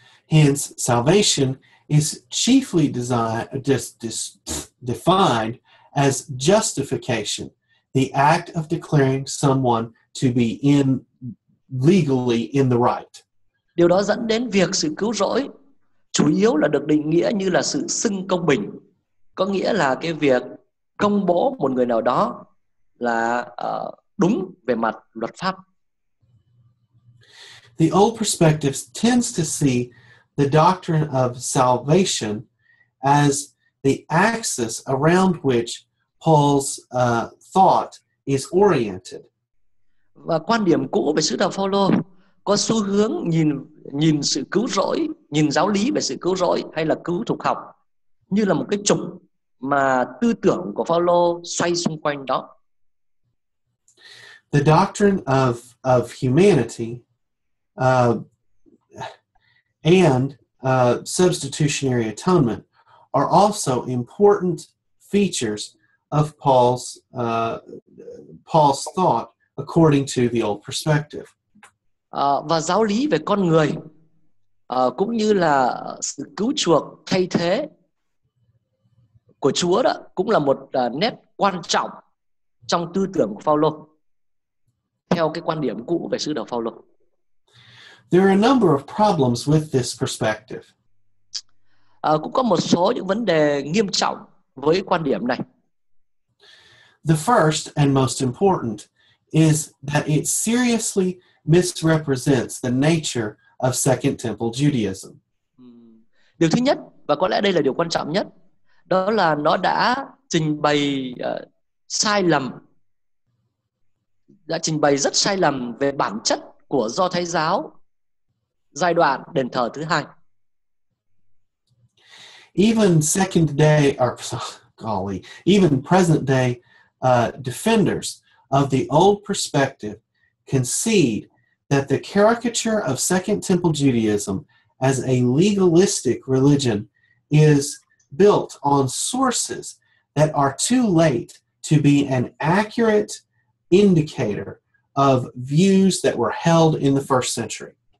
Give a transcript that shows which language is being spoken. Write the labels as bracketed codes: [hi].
[en] Hence, salvation is chiefly defined as justification, the act of declaring someone to be legally in the right. [vi] Điều đó dẫn đến việc sự cứu rỗi chủ yếu là được định nghĩa như là sự xưng công bình, có nghĩa là cái việc công bố một người nào đó là đúng về mặt luật pháp. [en] The old perspective tends to see the doctrine of salvation as the axis around which Paul's thought is oriented. [vi] Và quan điểm cũ về sứ đồ Phao-lô có xu hướng nhìn sự cứu rỗi, nhìn giáo lý về sự cứu rỗi hay là cứu thục học như là một cái trục mà tư tưởng của Phao-lô xoay xung quanh đó. [en] The doctrine of humanity and substitutionary atonement are also important features of Paul's thought according to the old perspective. [vi] Và giáo lý về con người cũng như là sự cứu chuộc thay thế của Chúa đó cũng là một nét quan trọng trong tư tưởng của Phaolô theo cái quan điểm cũ về sứ đồ Phaolô. [en] There are a number of problems with this perspective. [vi] Cũng có một số những vấn đề nghiêm trọng với quan điểm này. [en] The first and most important is that it seriously misrepresents the nature of Second Temple Judaism. [vi] Điều thứ nhất và có lẽ đây là điều quan trọng nhất, đó là nó đã trình bày sai lầm, đã trình bày rất sai lầm về bản chất của Do Thái giáo giai đoạn đền thờ thứ hai. [en] Even second day, or golly, even present day defenders of the old perspective concede that the caricature of Second Temple Judaism as a legalistic religion is built on sources that are too late to be an accurate indicator of views that were held in the first century.